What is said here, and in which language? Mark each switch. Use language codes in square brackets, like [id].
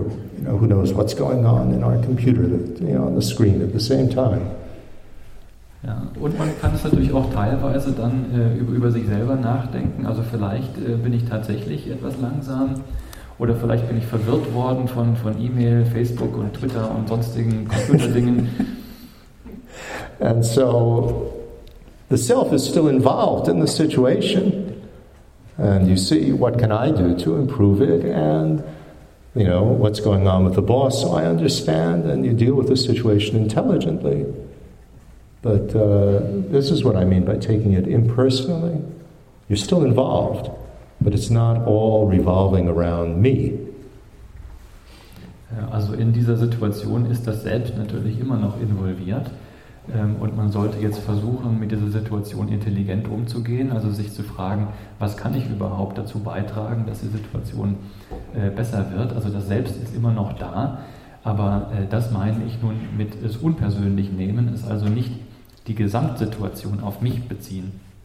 [en] Or, you know, who knows what's going on in our computer, on the screen at the same time. [de] Ja, und man kann es natürlich auch teilweise dann über sich selber nachdenken. Also vielleicht bin ich tatsächlich etwas langsam. Oder vielleicht bin ich verwirrt worden von E-Mail, Facebook und Twitter und sonstigen Computerdingen. [en] And so The self is still involved in the situation. And you see, what can I do to improve it? And, you know, what's going on with the boss? So I understand, and you deal with the situation intelligently. But this is what I mean by taking it impersonally. You're still involved, but it's not all revolving around me. [de] Also in dieser Situation ist das Selbst natürlich immer noch involviert. Und man sollte jetzt versuchen, mit dieser Situation intelligent umzugehen, also sich zu fragen, was kann ich überhaupt dazu beitragen, dass die Situation besser wird. Also das Selbst ist immer noch da, aber das meine ich nun mit es unpersönlich nehmen, ist also nicht die Gesamtsituation auf mich beziehen.